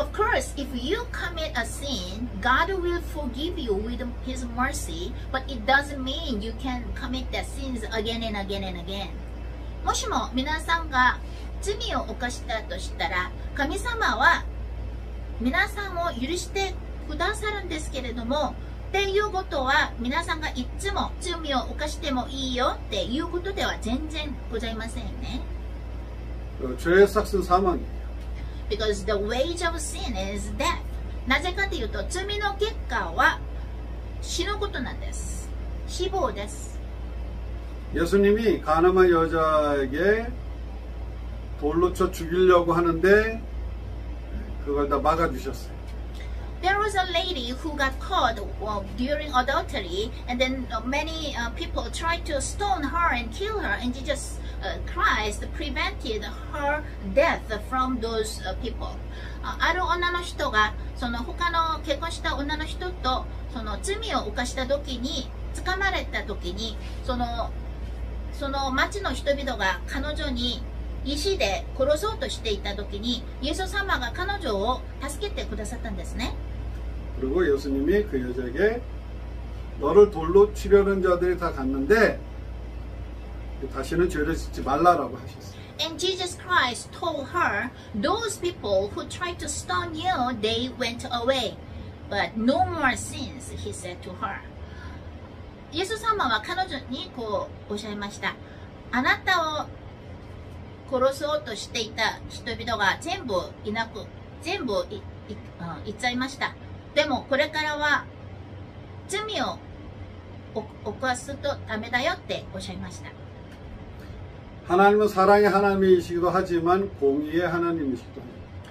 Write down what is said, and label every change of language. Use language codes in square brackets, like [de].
[en] of course, if you commit a sin, God will forgive you with His mercy, but it doesn't mean you can commit that sins again and again and again. [ja] もしも皆さんが罪を犯したとしたら、神様は皆さんを許してくださるんですけれども、っていうことは皆さんがいつも罪を犯してもいいよっていうことでは全然ございませんね。 [ko] 죄의삭은사망이에요. [en] Because the wage of sin is death. [ja] なぜかというと罪の結果は死のことなんです。死亡です。 [ko] 예수님이가나마여자에게돌로쳐죽이려고하는데그걸다막아주셨어요. [en] There was a lady who got caught during adultery, and then many people tried to stone her and kill her, and Jesus Christ prevented her death from those people. [ja] ある女の人がその他の結婚した女の人とその罪を犯した時に捕まれた時にその町の人々が彼女に石で殺そうとしていた時にイエス様が彼女を助けてくださったんですね。 [ko] 그리고예수님이그여자에게너를돌로치려는자들이다갔는데다시는죄를짓지말라라고하셨어요. [en] And Jesus Christ told her, those people who tried to stone you, they went away. But no more sins, he said to her. [ja] 예수様は彼女にこうおっしゃいました。あなたを殺そうとしていた人々が全部いなく、全部いっちゃいました。でもこれからは罪を起こすとダメだよっておっしゃいました。 [ko] 하나님은사랑의하나님이시기도하지만공의의하나님이시기도합니다.